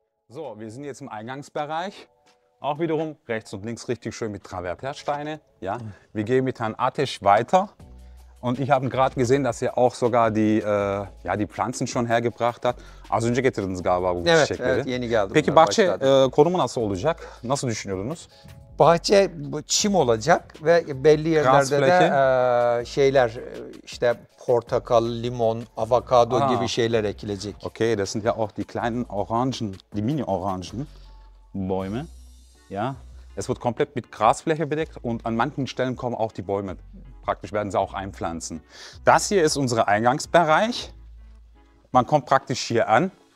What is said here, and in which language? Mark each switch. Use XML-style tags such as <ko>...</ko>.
<de>So, wir sind jetzt im Eingangsbereich. Auch wiederum rechts und links richtig schön mit Travertersteine. Ja. Wir gehen mit Herrn Atesh weiter. Und ich habe gerade gesehen, dass er auch sogar die, ja, die Pflanzen schon hergebracht hat.</de> <tr>Az önce getirdiniz galiba bu evet, çiçekleri. Evet, yeni geldi. Peki bahçe konumu nasıl olacak? Nasıl düşünüyordunuz? Bahçe çim olacak ve belli yerlerde de şeyler işte portakal, limon, avokado gibi şeyler ekilecek.</tr> <de>Okay, das sind ja auch die kleinen Orangen, die Mini-Orangen-Bäume. Ja, es wird komplett mit Grasfläche bedeckt und an manchen Stellen kommen auch die Bäume. Praktisch werden sie auch einpflanzen. Das hier ist unser Eingangsbereich. Man kommt praktisch hier an.</de>